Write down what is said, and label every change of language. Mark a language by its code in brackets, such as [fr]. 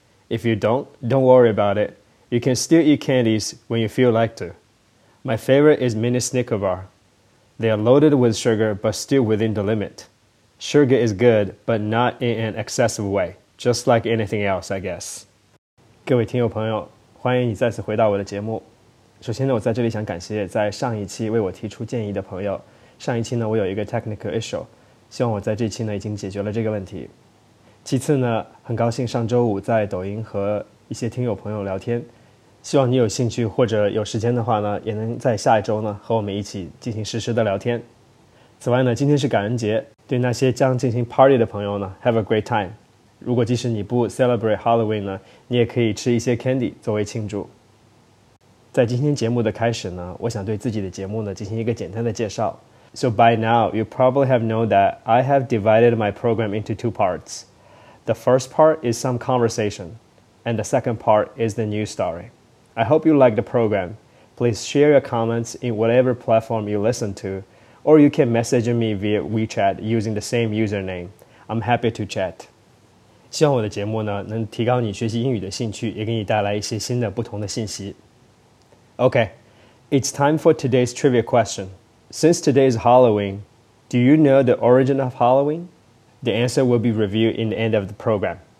[en] If you don't worry about it. You can still eat candies when you feel like to. My favorite is mini Snicker bar. They are loaded with sugar but still within the limit. Sugar is good but not in an excessive way, just like anything else, I guess. [zh] 各位听友朋友，欢迎你再次回到我的节目。首先呢，我在这里想感谢在上一期为我提出建议的朋友。上一期呢，我有一个 [en] technical issue， [zh] 希望我在这期呢已经解决了这个问题。其次呢，很高兴上周五在抖音和一些听友朋友聊天，希望你有兴趣或者有时间的话呢，也能在下一周呢和我们一起进行实时的聊天。此外呢，今天是感恩节，对那些将进行 party 的朋友呢 ， [en] have a great time。 [zh] 如果即使你不 [en] celebrate Halloween [zh] 呢，你也可以吃一些 candy 作为庆祝。在今天节目的开始呢，我想对自己的节目呢进行一个简单的介绍。 [en] So by now, you probably have known that I have divided my program into two parts. The first part is some conversation, and the second part is the news story. I hope you like the program. Please share your comments in whatever platform you listen to, or you can message me via WeChat using the same username. I'm happy to chat. [zh] 希望我的节目呢能提高你学习英语的兴趣，也给你带来一些新的不同的信息。 [en] Okay, it's time for today's trivia question. Since today is Halloween, do you know the origin of Halloween? The answer will be revealed in the end of the program.